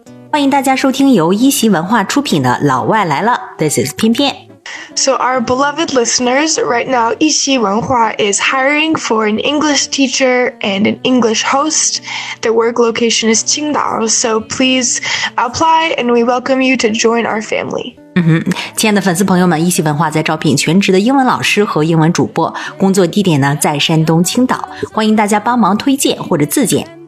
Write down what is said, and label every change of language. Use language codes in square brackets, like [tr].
[zh] 欢迎大家收听由一席文化出品的《老外来了》。 [en] This is 翩翩。 So our beloved listeners, right now, 一席文化 is hiring for an English teacher and an English host. The work location is Qingdao, so please apply and we welcome you to join our family. [zh] 亲爱的粉丝朋友们，一席文化在招聘全职的英文老师和英文主播，工作地点呢在山东青岛，欢迎大家帮忙推荐或者自荐。